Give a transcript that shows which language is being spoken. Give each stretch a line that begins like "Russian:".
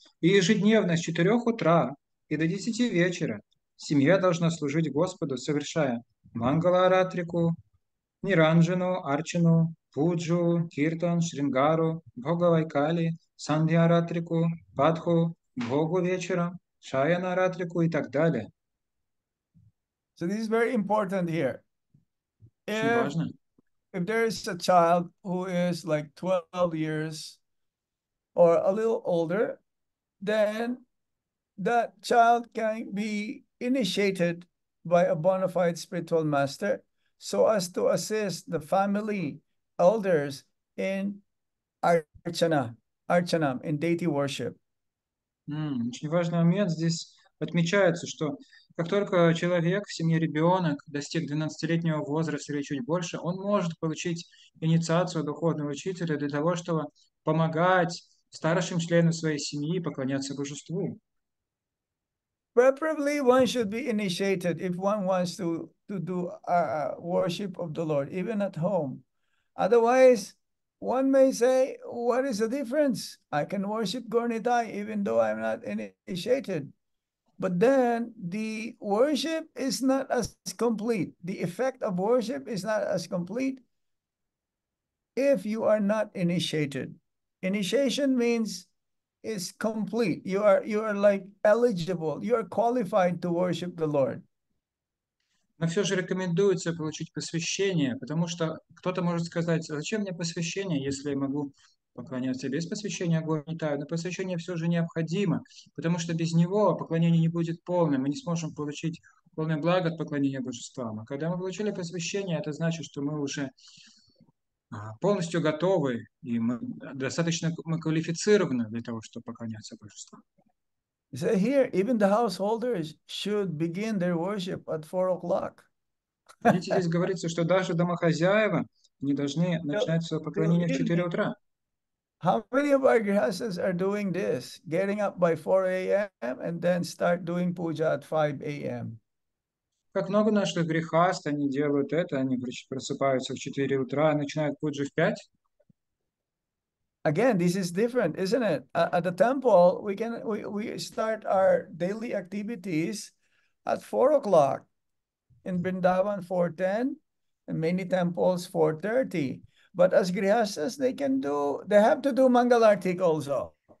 Russian: И ежедневно с 4 утра и до 10 вечера семья должна служить Господу, совершая Мангала-Аратрику, Ниранджану, Арчану, Пуджу, Киртан, Шрингару, Бхога-Вайкали, Сандья-Аратрику, Падху, Богу вечером, Шаяна-Аратрику и так далее.
English: So this is very important here. If there is a child who is like 12 years or a little older, then that child can be initiated by a bona fide spiritual master so as to assist the family elders in archana, in deity worship.
Russian: Очень важный момент здесь отмечается, что как только человек в семье ребенок достиг 12-летнего возраста или чуть больше, он может получить инициацию духовного учителя для того, чтобы помогать старшим членам своей семьи поклоняться божеству.
English: Preferably one should be initiated if one wants to do worship of the Lord, even at home. Otherwise, one may say, what is the difference? I can worship Gornitai even though I'm not initiated. But then the worship is not as complete. The effect of worship is not as complete if you are not initiated. Initiation means it's complete. You are like eligible. You are qualified to worship the Lord.
Russian: Но все же рекомендуется получить посвящение, потому что кто-то может сказать, зачем мне посвящение, если я могу поклоняться без посвящения Гурнитаю, но посвящение все же необходимо, потому что без него поклонение не будет полным, мы не сможем получить полное благо от поклонения божествам. А когда мы получили посвящение, это значит, что мы уже полностью готовы, и мы достаточно мы квалифицированы для того, чтобы поклоняться божествам.
English: So here, even the householders should begin their worship at 4 o'clock.
Russian: Видите, здесь говорится, что даже домохозяева не должны начинать свое поклонение в 4 утра.
English: How many of our grihasthas are doing this? Getting up by 4 a.m. and then start doing puja at 5 a.m.
Russian: Как много наших грехаст, они делают это, они просыпаются в 4 утра, начинают пуджу в 5?
English: Again, this is different, isn't it? At the temple, we start our daily activities at 4 o'clock. In Vrindavan, 4:10, and many temples, 4:30. But as grihasthas, they have to do Mangalarti also.